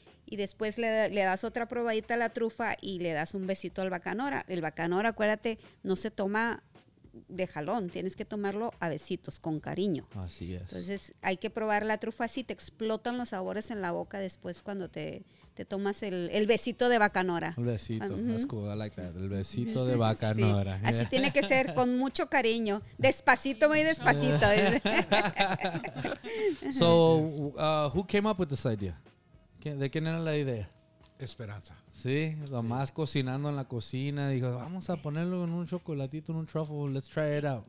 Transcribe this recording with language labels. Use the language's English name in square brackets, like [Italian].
[Spanish] Y después le das otra probadita a la trufa y le das un besito al Bacanora. El Bacanora, acuérdate, no se toma de jalón. Tienes que tomarlo a besitos, con cariño. Así es. Entonces hay que probar la trufa así. Te explotan los sabores en la boca después cuando te tomas el besito de Bacanora. El besito, uh-huh. [English] that's cool, I like that, [Spanish] el besito de Bacanora. Sí. Así tiene que ser, con mucho cariño, despacito, muy despacito. [English] So, who came up with this idea? [Spanish] ¿De quién era la idea? Esperanza. Sí, nomás sí. cocinando en la cocina, dijo, vamos a ponerlo en un chocolatito, en un truffle, [English] let's try it out.